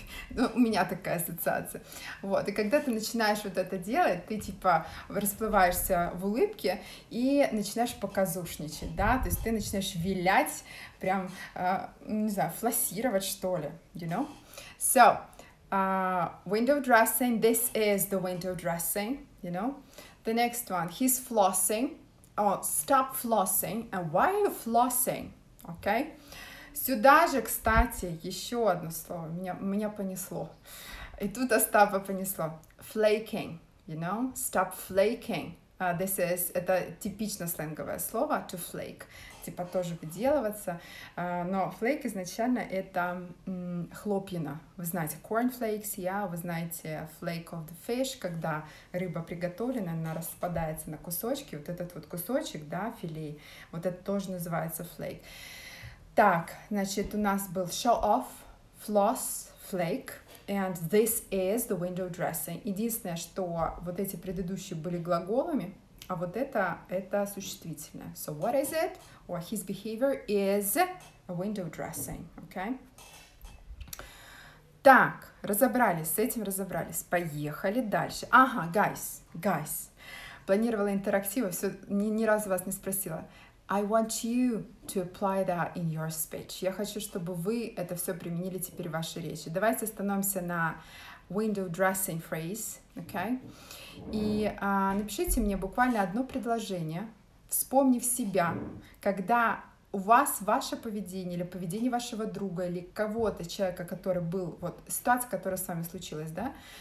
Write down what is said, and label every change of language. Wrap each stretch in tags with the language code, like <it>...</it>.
<ru>Ну, у меня такая ассоциация. Вот, и когда ты начинаешь вот это делать, ты типа расплываешься в улыбке и начинаешь показушничать, да, то есть ты начинаешь вилять, прям, не знаю, флоссировать, что ли,</ru> <en>you know? So, window dressing, this is the window dressing, you know? The next one, he's flossing, stop flossing, and why are you flossing, okay?</en> <ru>Сюда же, кстати, еще одно слово. Меня понесло. И тут Остапа понесло.</ru> <en>Flaking, you know? Stop flaking. This is,</en> <ru>это типично сленговое слово,</ru> <en>to flake.</en> <ru>Типа тоже выделываться. Но flake изначально это хлопьина. Вы знаете cornflakes, yeah? Вы знаете</ru> <en>flake of the fish,</en> <ru>когда рыба приготовлена, она распадается на кусочки. Вот этот вот кусочек, да, филе, вот это тоже называется flake. Так, значит, у нас был</ru> <en>show off, floss, flake, and this is the window dressing.</en> <ru>Единственное, что вот эти предыдущие были глаголами, а вот это существительное.</ru> <en>So what is it? Or his behavior is a window dressing, okay?</en> <ru>Так, разобрались, с этим разобрались. Поехали дальше. Ага, guys, планировала интерактивы, все, ни разу вас не спросила.</ru> <en>I want you to apply that in your speech.</en> <ru>Я хочу, чтобы вы это все применили теперь в вашей речи. Давайте остановимся на window dressing</ru> <en>phrase, okay?</en> <ru>И напишите мне буквально одно предложение, вспомнив себя, когда у вас ваше поведение или поведение вашего друга или кого-то, человека, который был, вот ситуация, которая с вами случилась, да?</ru>